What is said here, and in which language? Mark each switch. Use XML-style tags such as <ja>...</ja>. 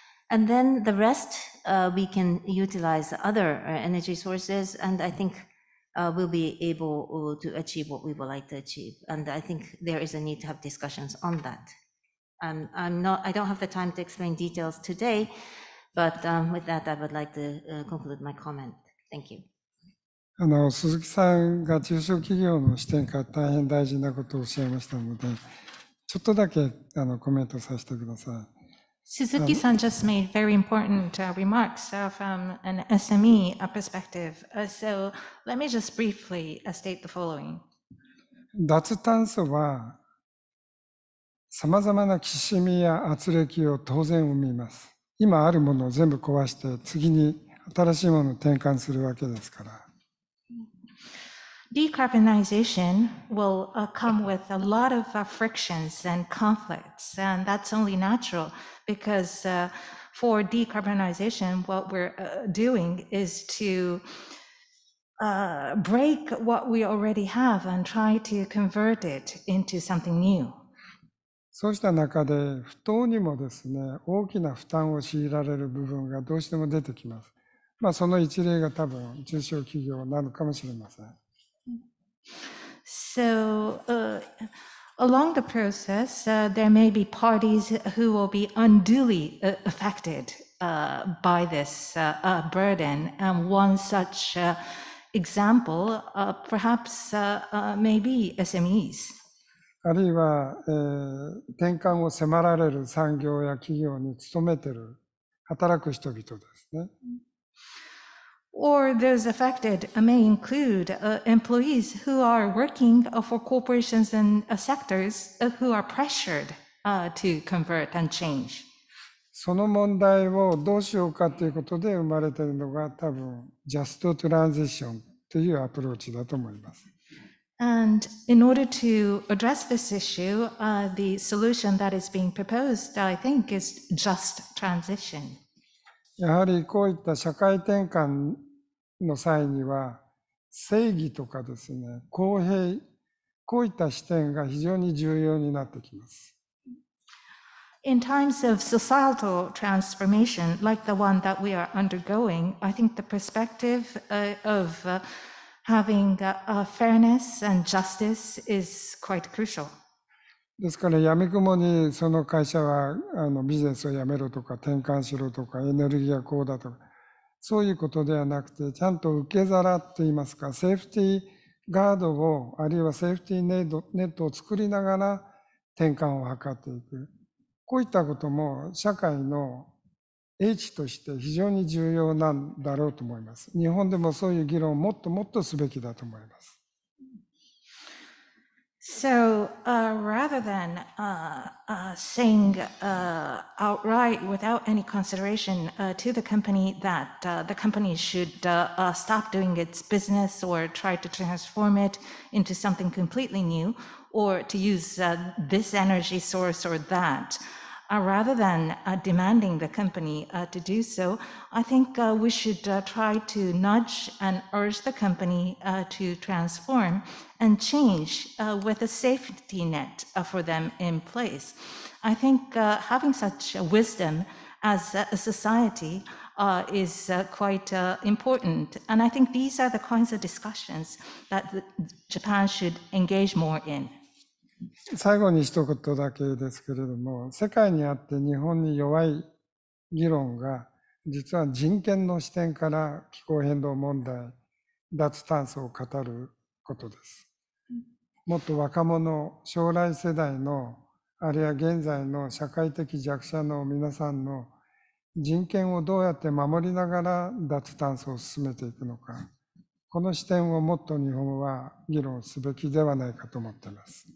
<en>And then the rest, we can utilize other energy sources, and I think we'll be able to achieve what we would like to achieve. And I think there is a need to have discussions on that. And I don't have the time to explain details today. But with that, I would like to conclude my comment. Thank you.</en> <ja>鈴木さんが中小企業の視点から大変大事なことをおっしゃいましたので、ちょっとだけコメントさせてください。</ja> <en>鈴木さん just made very important remarks from an SME perspective. So let me just briefly state the following.</en> <ja>脱炭素は様々なきしみや圧力を当然生みます。今あるものを全部壊して次に新しいものを転換するわけですから。</ja> <en>Decarbonization will come with a lot of frictions and conflicts, and that's only natural because for decarbonization, what we're doing is to break what we already have and try to convert it into something new.</en> <ja>そうした中で不当にもですね、大きな負担を強いられる部分がどうしても出てきます。まあ、その一例が多分中小企業なのかもしれません。</ja> <en>So, along the process, there may be parties who will be unduly affected by this burden. And one such example, perhaps, maybe SMEs.</en> <ja>あるいは、転換を迫られる産業や企業に勤めている働く人々ですね。</ja> <en>Or those affected may include employees who are working for corporations and sectors who are pressured to convert and change.</en> <ja>その問題をどうしようかということで生まれているのが多分 Just Transition というアプローチだと思います。</ja> <en>And in order to address this issue, the solution that is being proposed, I think, is just transition.</en> <ja>やはりこういった社会転換の際には、正義とかですね、公平、こういった視点が非常に重要になってきます。</ja> <en>In times of societal transformation, like the one that we are undergoing, I think the perspective of having a fairness and justice is quite crucial.</en> <ja>ですから、やみくもにその会社はビジネスをやめろとか転換しろとかエネルギーはこうだとかそういうことではなくて、ちゃんと受け皿といいますか、セーフティーガードをあるいはセーフティーネットを作りながら転換を図っていく。こういったことも社会の H として非常に重要なんだろうと思います。日本でもそういう議論をもっともっとすべきだと思います。</ja> <en>So, rather than saying outright without any consideration to the company that the company should stop doing its business or try to transform it into something completely new or to use this energy source or that, rather than demanding the company to do so, I think we should try to nudge and urge the company to transform and change with a safety net for them in place. I think having such wisdom as a society is quite important. And I think these are the kinds of discussions that Japan should engage more in.</en> <ja>最後に一言だけですけれども、世界にあって日本に弱い議論が、実は人権の視点から気候変動問題、脱炭素を語ることです。もっと若者、将来世代の、あるいは現在の社会的弱者の皆さんの人権をどうやって守りながら脱炭素を進めていくのか、この視点をもっと日本は議論すべきではないかと思っています。</ja>